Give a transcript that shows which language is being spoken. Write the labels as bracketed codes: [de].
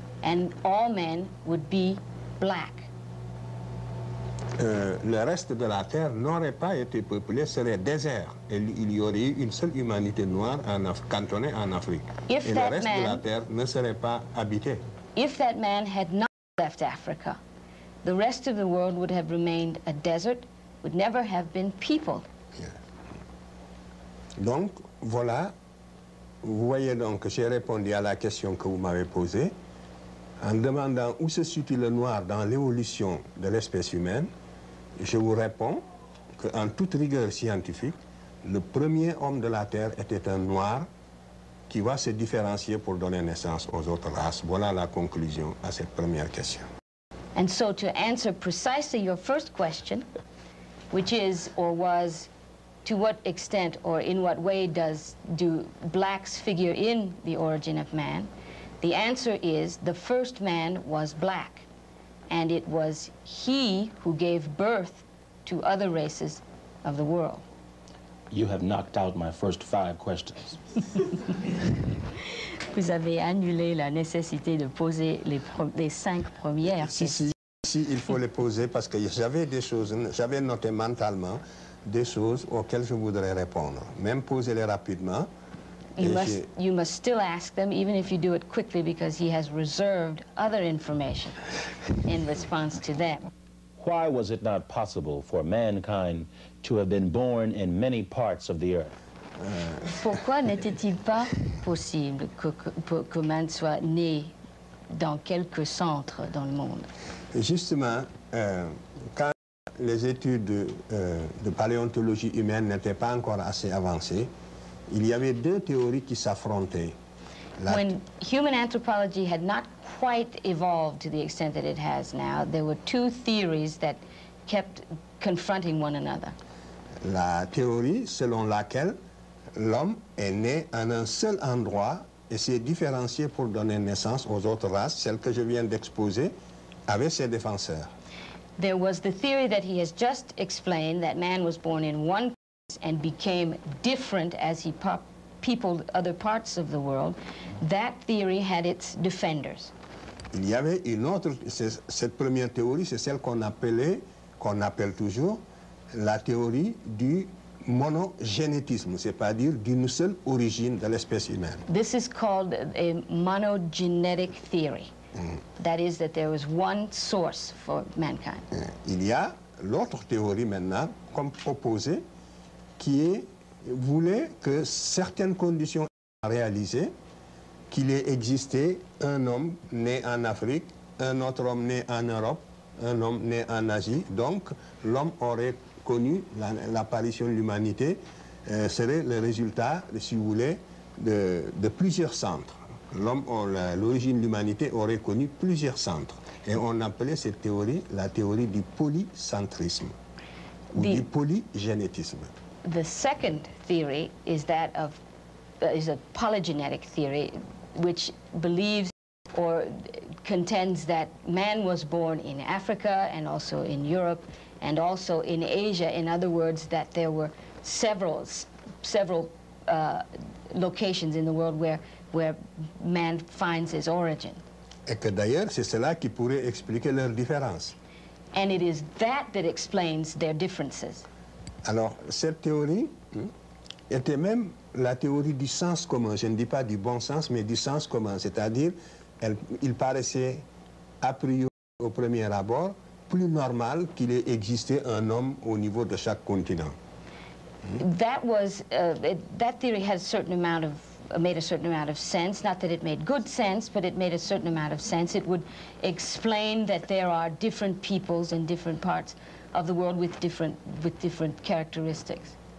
[en] And all men would be black. [fr] Le reste de la Terre n'aurait pas été peuplé, serait désert. Et il y aurait eu une seule humanité noire en cantonnée en Afrique. [en] If [fr] et le reste [en] man, [fr] de la Terre ne serait pas habité. [en] If that man had not left Africa, the rest of the world would have remained a desert, would never have been peopled. [fr] Yeah. Donc, voilà. Vous voyez donc que j'ai répondu à la question que vous m'avez posée. En demandant où se situe le noir dans l'évolution de l'espèce humaine, je vous réponds qu'en toute rigueur scientifique, le premier homme de la Terre était un noir qui va se différencier pour donner naissance aux autres races. Voilà la conclusion à cette première question. [en] And so to answer precisely your first question, which is or was, to what extent or in what way do blacks figure in the origin of man? The answer is the first man was black, and it was he who gave birth to other races of the world. You have knocked out my first five questions. [fr] Vous avez annulé la nécessité de poser les cinq premières questions. Si, il faut les poser parce que j'avais des choses, j'avais noté mentalement des choses auxquelles je voudrais répondre, même poser-les rapidement. [en] You must still ask them, even if you do it quickly, because he has reserved other information in response to them. Why was it not possible for mankind to have been born in many parts of the earth? [fr] Pourquoi n'était-il pas possible que man soit né dans quelques centres dans le monde? Justement, quand les études de paléontologie humaine n'étaient pas encore assez avancées, il y avait deux théories qui s'affrontaient. [en] When human anthropology had not quite evolved to the extent that it has now, there were two theories that kept confronting one another. [fr] La théorie selon laquelle l'homme est né en un seul endroit et s'est différencié pour donner naissance aux autres races, celle que je viens d'exposer, avait ses défenseurs. [en] There was the theory that he has just explained, that man was born in one and became different as he peopled other parts of the world. That theory had its defenders. [fr] Il y avait une autre, cette première théorie, c'est celle qu'on appelle toujours la théorie du monogénétisme, c'est-à-dire d'une seule origine de l'espèce humaine. [en] This is called a monogenetic theory. That is, that there was one source for mankind. [fr] Il y a l'autre théorie maintenant, comme proposée, qui est, voulait que certaines conditions soient réalisées, qu'il ait existé un homme né en Afrique, un autre homme né en Europe, un homme né en Asie. Donc, l'homme aurait connu l'apparition de l'humanité, serait le résultat, si vous voulez, de plusieurs centres. L'homme, l'origine de l'humanité aurait connu plusieurs centres. Et on appelait cette théorie la théorie du polycentrisme ou du polygénétisme. [en] The second theory is that of is a polygenetic theory, which believes or contends that man was born in Africa and also in Europe and also in Asia. In other words, that there were several locations in the world where man finds his origin. [fr] Et que d'ailleurs, c'est cela qui pourrait expliquer leurs différences. [en] And it is that explains their differences. [fr] Alors, cette théorie était même la théorie du sens commun. Je ne dis pas du bon sens, mais du sens commun. C'est-à-dire, il paraissait, a priori, au premier abord, plus normal qu'il ait existé un homme au niveau de chaque continent. [en] That was that theory had a certain amount of made a certain amount of sense. Not that it made good sense, but it made a certain amount of sense. It would explain that there are different peoples in different parts of the world with different characteristics.